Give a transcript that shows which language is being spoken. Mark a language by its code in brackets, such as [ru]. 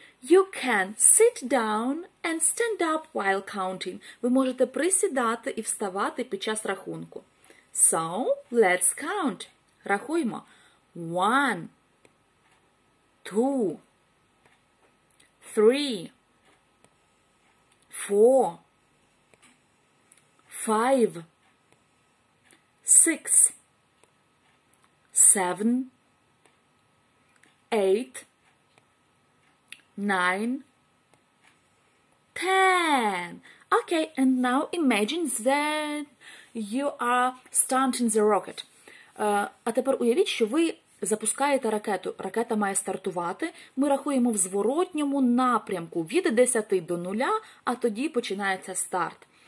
[en] You can sit down and stand up while counting. [uk] Ви можете присідати і вставати під час рахунку. [en] So, let's count. [uk] Рахуємо. [en] 1, 2, 3, 4, 5, 6, 7, 8, 9, 10. Okay, and now imagine that you are starting the rocket. [uk] А тепер уявіть, що ви запускаєте ракету. Ракета має стартувати. Ми рахуємо в зворотньому напрямку від 10 до 0, а тоді починається старт.